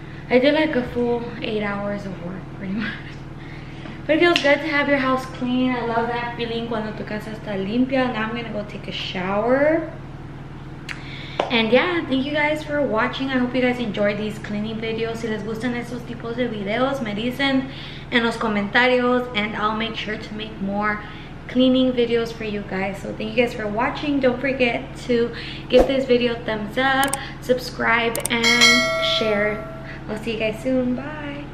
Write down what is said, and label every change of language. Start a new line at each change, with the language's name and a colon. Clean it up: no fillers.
English: I did like a full 8 hours of work pretty much. But it feels good to have your house clean. I love that feeling
Spanish: cuando tu casa está limpia.
English: Now I'm gonna go take a shower. And yeah, thank you guys for watching. I hope you guys enjoyed these cleaning videos.
Spanish: Si les gustan esos tipos de videos, me dicen en los comentarios.
English: And I'll make sure to make more cleaning videos for you guys. So thank you guys for watching. Don't forget to give this video a thumbs up, subscribe, and share. I'll see you guys soon. Bye.